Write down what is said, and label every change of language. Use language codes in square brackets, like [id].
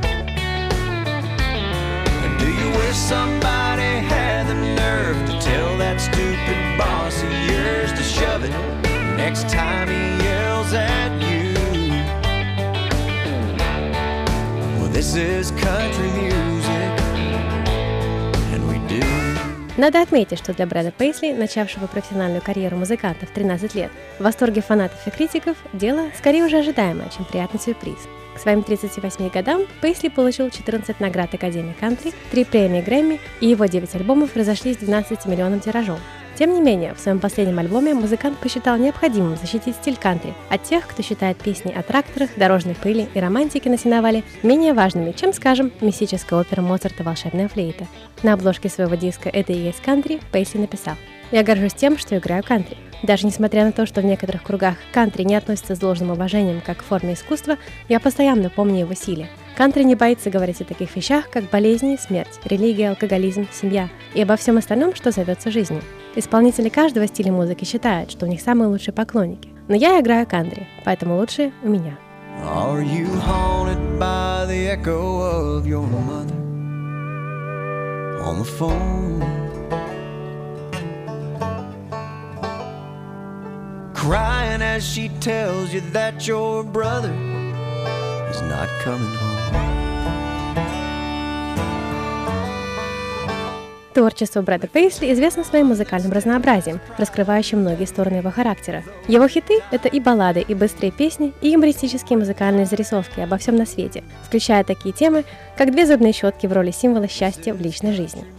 [en] And do you wish somebody had the nerve to tell that stupid boss of yours to shove it next time he yells at you? Well, this is country music. [ru] Надо отметить, что для Брэда Пейсли, начавшего профессиональную карьеру музыканта в 13 лет, в восторге фанатов и критиков, дело скорее уже ожидаемое, чем приятный сюрприз. К своим 38 годам Пейсли получил 14 наград Академии Кантри, 3 премии Грэмми, и его 9 альбомов разошлись 12 миллионам тиражом. Тем не менее, в своем последнем альбоме музыкант посчитал необходимым защитить стиль кантри от тех, кто считает песни о тракторах, дорожной пыли и романтике на сеновале менее важными, чем, скажем, мистическая опера Моцарта «Волшебная флейта». На обложке своего диска «Это и есть кантри» Пейсли написал: «Я горжусь тем, что играю кантри. Даже несмотря на то, что в некоторых кругах кантри не относится с должным уважением как к форме искусства, я постоянно помню его силе. Кантри не боится говорить о таких вещах, как болезни, смерть, религия, алкоголизм, семья и обо всем остальном, что зовется жизнью. Исполнители каждого стиля музыки считают, что у них самые лучшие поклонники. Но я играю кантри, поэтому лучшие у меня». [en] Are you haunted by the echo of your mother on the phone? Crying as she tells you that your brother is not coming home. [ru] Творчество Брэда Пейсли известно своим музыкальным разнообразием, раскрывающим многие стороны его характера. Его хиты – это и баллады, и быстрые песни, и юмористические музыкальные зарисовки обо всем на свете, включая такие темы, как две зубные щетки в роли символа счастья в личной жизни.